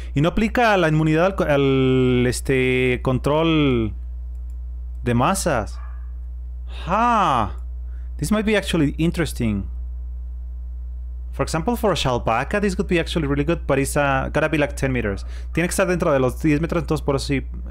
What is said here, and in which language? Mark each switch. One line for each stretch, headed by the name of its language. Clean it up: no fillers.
Spanish: Y no aplica la inmunidad al este control de masas.
English: Ha! This might be actually interesting. For example, for a Shalbaka, this could be actually really good, but it's gotta be like 10 meters.
Spanish: Tiene que estar dentro de los 10 meters, entonces por así.